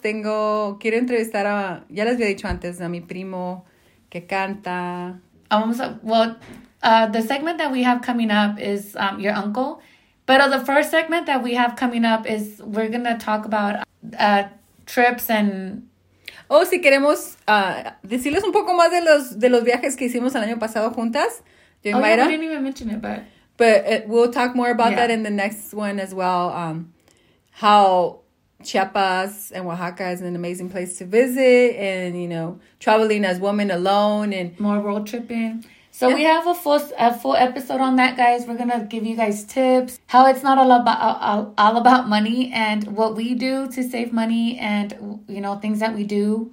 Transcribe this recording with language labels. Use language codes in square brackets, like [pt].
[es] Tengo, quiero entrevistar a, ya les había dicho antes, a mi primo que canta. [en] The segment that we have coming up is your uncle. But the first segment that we have coming up is we're going to talk about trips and... [es] Oh, si queremos decirles un poco más de los viajes que hicimos el año pasado juntas. [en] Oh, yeah, we didn't even mention it, but... But we'll talk more about that in the next one as well. How Chiapas and Oaxaca is an amazing place to visit and, you know, traveling as women alone and... More road tripping. So yeah. We have a full episode on that, guys. We're going to give you guys tips, how it's not all about money and what we do to save money and, you know, things that we do.